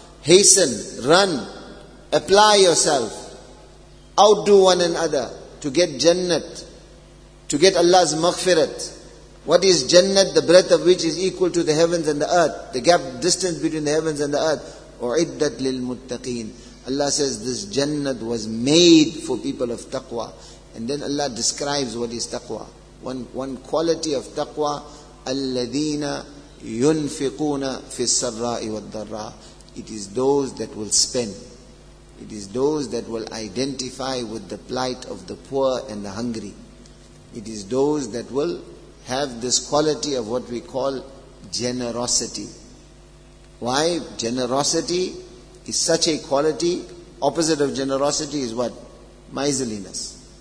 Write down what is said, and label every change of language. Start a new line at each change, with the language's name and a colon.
English: Hasten, run, apply yourself, outdo one another to get Jannat, to get Allah's maghfirat. What is Jannat? The breadth of which is equal to the heavens and the earth, the gap distance between the heavens and the earth.
Arabic: أعدت للمتقين.
English: Allah says this Jannat was made for people of taqwa. And then Allah describes what is taqwa. One quality of taqwa,
Arabic: الَّذِينَ يُنْفِقُونَ فِي السَّرَّاءِ وَالضَّرَّاءِ.
English: It is those that will spend. It is those that will identify with the plight of the poor and the hungry. It is those that will have this quality of what we call generosity. Why? Generosity is such a quality. Opposite of generosity is what? Miserliness.